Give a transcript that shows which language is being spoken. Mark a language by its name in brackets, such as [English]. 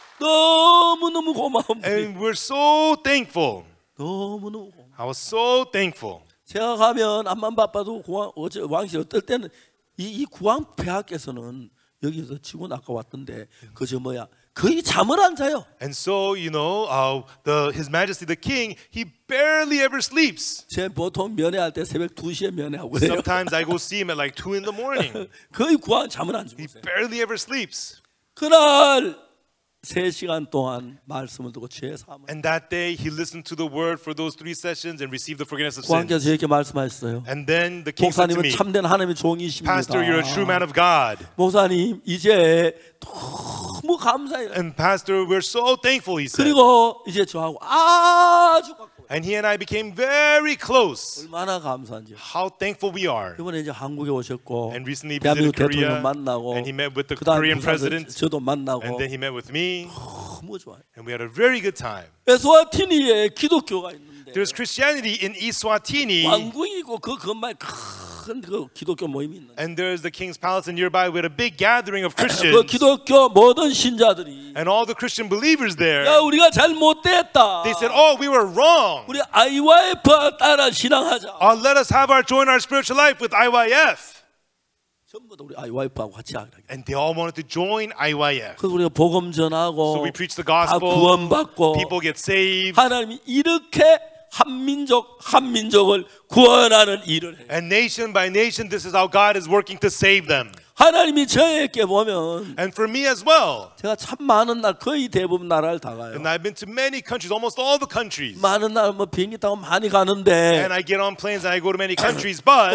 [Korean] 너무너무 고마운 분이. [English] And we're so thankful. [Korean] 너무너무 고마워. [English] I was so thankful. [Korean] 제가 가면 암만 바빠도 국왕 어제 왕실 어떨 때는 이 구왕 폐하께서는 여기서 직원 아까 왔던데 그저 뭐야 거의 잠을 안 자요. [English] And so you know, His Majesty the King, he barely ever sleeps. [Korean] 제 보통 면회할 때 새벽 2시에 면회하고 해요. [English] Sometimes I go see him at like 2 in the morning. [Korean] 거의 구왕 잠을 안 주무세요. [English] He barely ever sleeps. [Korean] 그날 3시간 동안 말씀을 듣고 죄 사함을. [English] And that day he listened to the word for those 3 sessions and received the forgiveness of sins. [Korean] 구왕께서 이렇게 말씀하셨어요. [English] And then the king said to me, [Korean] 목사님은 참된 하나님의 종이십니다. [English] Pastor, you're a true man of God. [Korean] 목사님 이제 너무 감사해요. [English] And pastor, we're so thankful, he said. [Korean] 그리고 이제 저하고 아주 가까워. [English] And he and I became very close. [Korean] 얼마나 감사한지. [English] How thankful we are. [Korean] 이번에 이제 한국에 오셨고. [English] And recently he visited Korea. [Korean] 대통령 만나고. [English] And he met with the Korean president. [Korean] 저도 만나고. [English] And then he met with me. [Korean] 너무 좋아요. [English] And we had a very good time. [Korean] 에스와티니에 기독교가 있는데. [English] There's Christianity in Eswatini. [Korean] 왕궁이고 그 건물 큰 그 기독교 모임이 있는. [English] And there's the king's palace nearby with a big gathering of Christians. [Korean] 그 기독교 모든 신자들이. [English] And all the Christian believers there. [Korean] 야 우리가 잘못됐다. [English] They said, "Oh, we were wrong." [Korean] 우리 IYF 따라 신앙하자. [English] Oh, let us have our join our spiritual life with IYF. [Korean] 전부 다 우리 IYF하고 같이 하기로. [English] And they all wanted to join IYF. [Korean] 그래서 우리가 복음 전하고, [English] so we preach the gospel, [Korean] 다 구원 받고, [English] people get saved. [Korean] 하나님이 이렇게 한 민족을 구원하는 일을 해. [English] And nation by nation, this is how God is working to save them. [Korean] 하나님이 저에게 보면, [English] and for me as well, [Korean] 제가 참 많은 나라 거의 대부분 나라를 다 가요. [English] And I've been to many countries, almost all the countries. [Korean] 많은 나라 뭐 비행기 타고 많이 가는데, [English] and I get on planes and I go to many countries, but